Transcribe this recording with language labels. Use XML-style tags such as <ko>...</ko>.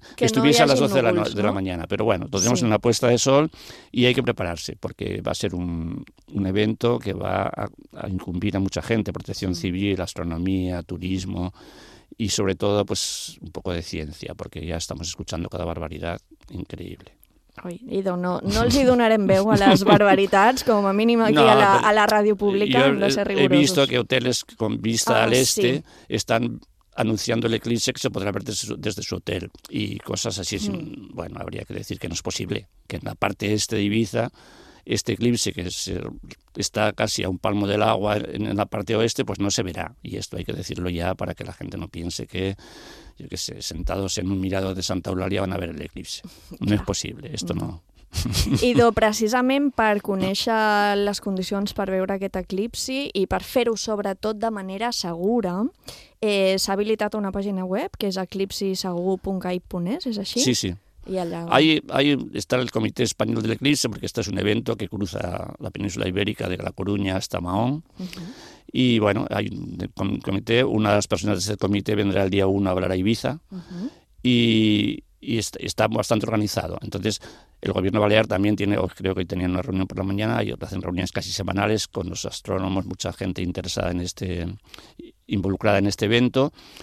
<es>que estuviese no a las 12 de la, Bulls, ¿no? de la mañana, pero bueno, lo tenemos sí. en la puesta de sol y hay que prepararse porque va a ser un evento que va a incumbir a mucha gente, protección civil, astronomía, turismo y sobre todo pues un poco de ciencia, porque ya estamos escuchando cada barbaridad increíble.</es> <ca>Ui, idò, no els hi donarem veu a les barbaritats, com a mínim aquí no, a la ràdio pública, hem de ser rigorosos.</ca> <es>He visto que hoteles con vista al este sí. están anunciando el eclipse que se podrá ver desde su hotel y cosas así. Bueno, habría que decir que no es posible, que en la parte este de Ibiza este eclipse que está casi a un palmo del agua en la parte oeste, pues no se verá. Y esto hay que decirlo ya para que la gente no piense que, yo qué sé, sentados en un mirador de Santa Eulalia van a ver el eclipse. No es posible, esto no.</es> <ca>Idò, precisament per conèixer les condicions per veure aquest eclipsi i per fer-ho sobretot de manera segura, s'ha habilitat una pàgina web que és eclipsisegur.caip.es, és així? Sí, sí.</ca> <es>Ahí está el Comité Español del Eclipse, porque este es un evento que cruza la península ibérica de La Coruña hasta Mahón. Uh-huh. Y bueno, hay un comité, una de las personas de ese comité vendrá el día 1 a hablar a Ibiza. Uh-huh. Y está bastante organizado. Entonces, el gobierno balear también tiene, creo que hoy tenían una reunión por la mañana, y hacen reuniones casi semanales con los astrónomos, mucha gente interesada en este, involucrada en este evento.</es>